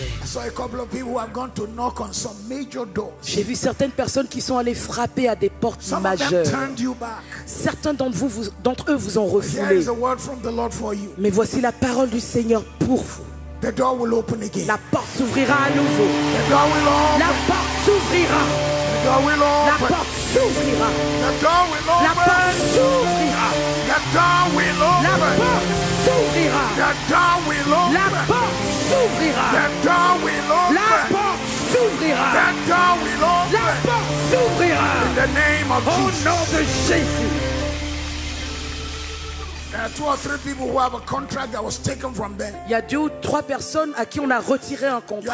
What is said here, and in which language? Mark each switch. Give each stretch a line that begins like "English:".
English: I saw a couple of people who have gone to knock on some major doors.
French: J'ai vu certaines personnes qui sont allées frapper à des portes
English: some
French: majeures.
English: Of them turned you back.
French: Certains d'entre vous, d'entre eux vous ont refoulé.
English: Here is a word from the Lord for you.
French: Mais voici la parole du Seigneur pour vous.
English: The door will open again.
French: La porte s'ouvrira à nouveau.
English: The door will open.
French: La porte s'ouvrira.
English: The door will open.
French: La porte s'ouvrira.
English: The door will open.
French: La porte s'ouvrira.
English: The door will open.
French: La porte
English: the door will open.
French: La porte s'ouvrira.
English: The door will open.
French: La porte s'ouvrira.
English: The door will open.
French: La porte s'ouvrira.
English: In the name of
French: au
English: Jesus.
French: Nom de Jésus.
English: There are two or three people who have a contract that was taken from them.
French: Il y a deux ou trois personnes à qui on a retiré un contrat.